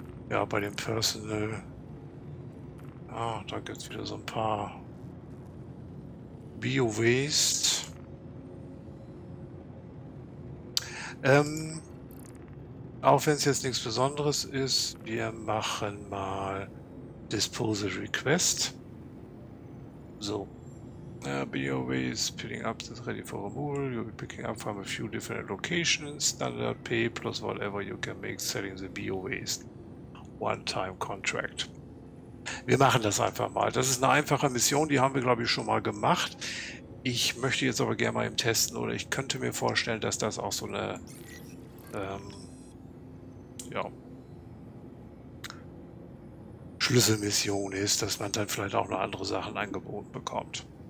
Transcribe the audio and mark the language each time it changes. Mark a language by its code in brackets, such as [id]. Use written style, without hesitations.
[de] Ja, bei dem Personal. Ah, da gibt es wieder so ein paar Bio-Waste. Auch wenn es jetzt nichts Besonderes ist, wir machen mal Disposal Request. So. [en] BOWs picking up is ready for removal. You'll be picking up from a few different locations. Standard pay plus whatever you can make selling the BOWs. One-time contract. [de] Wir machen das einfach mal. Das ist eine einfache Mission, die haben wir, glaube ich, schon mal gemacht. Ich möchte jetzt aber gerne mal eben testen, oder ich könnte mir vorstellen, dass das auch so eine Schlüsselmission ist, dass man dann vielleicht auch noch andere Sachen angeboten bekommt.